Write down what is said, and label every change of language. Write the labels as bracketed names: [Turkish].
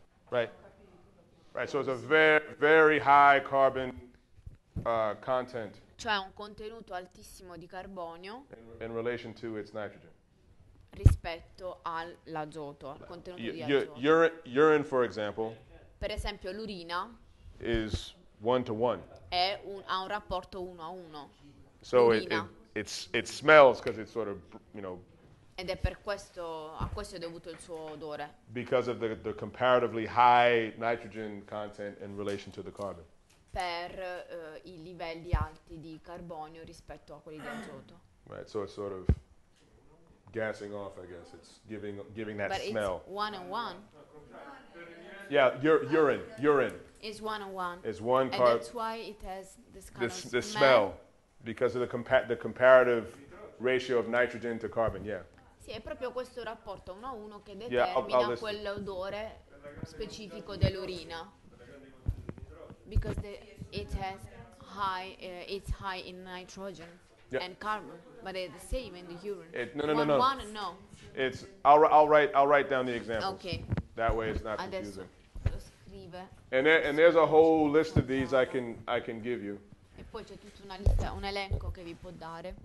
[English] Right, so it's a very, very high carbon content. [Italian] cioè un contenuto altissimo di carbonio [English] in relation to its nitrogen. [Italian] Rispetto all'azoto, al contenuto di azoto. [English] Urine, for example, [Italian] per esempio l'urina [English] is one to one. [Italian] È un, ha un rapporto uno a uno. [English] So it smells because it's sort of, you know. [Italian] Ed è per questo, a questo è dovuto il suo odore. [English] Because of the comparatively high nitrogen content in relation to the carbon. [Italian] Per i livelli alti di carbonio rispetto a quelli di azoto. [English] Right, so it's sort of gassing off, I guess. It's giving that but smell. But it's one on one. Yeah, urine. It's one on one. It's one carb. And that's why it has this kind of smell. Because of the comparative ratio of nitrogen to carbon, yeah. [Italian] Sì, è proprio questo rapporto uno a uno che determina quell'odore specifico dell'urina. [English] Because it has it's high in nitrogen and carbon, but it's the same in the urine. No. I'll write down the examples. Okay. That way it's not confusing. [Italian] Adesso lo scrive. [English] And there's a whole list of these I can give you. [Italian] E poi c'è tutta una lista, un elenco che vi può dare.